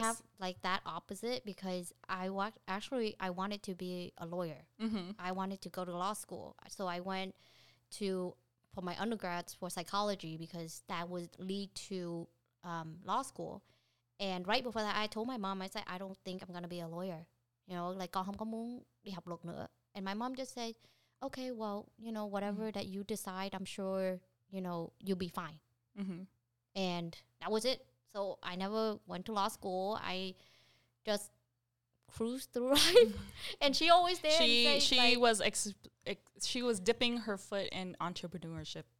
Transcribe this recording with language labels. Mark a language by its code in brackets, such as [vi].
[en] I have like that opposite because I wanted to be a lawyer. Mm-hmm. I wanted to go to law school. So I went to for my undergrads for psychology because that would lead to law school. And right before that, I told my mom, I said, I don't think I'm going to be a lawyer. [vi] You know, like, con không có muốn đi học luật nữa. [en] And my mom just said, okay, well, you know, whatever that you decide, I'm sure, you know, you'll be fine. Mm-hmm. And that was it. So I never went to law school. I just cruised through life. And she always there. She was dipping her foot in entrepreneurship.